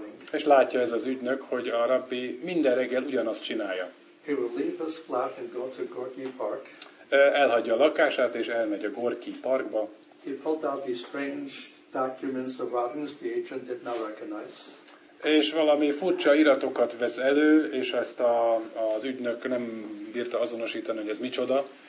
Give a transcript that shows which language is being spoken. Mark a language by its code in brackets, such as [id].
[hu] És látja ez az ügynök, hogy a rabbi minden reggel ugyanazt csinálja. [en] He will leave his flat and go to Gorky Park. [hu] Elhagyja a lakását és elmegy a Gorky Parkba. [en] He pulled out these strange documents of writings the agent did not recognize. [hu] És valami furcsa iratokat vesz elő, és ezt az ügynök nem bírta azonosítani, hogy ez micsoda.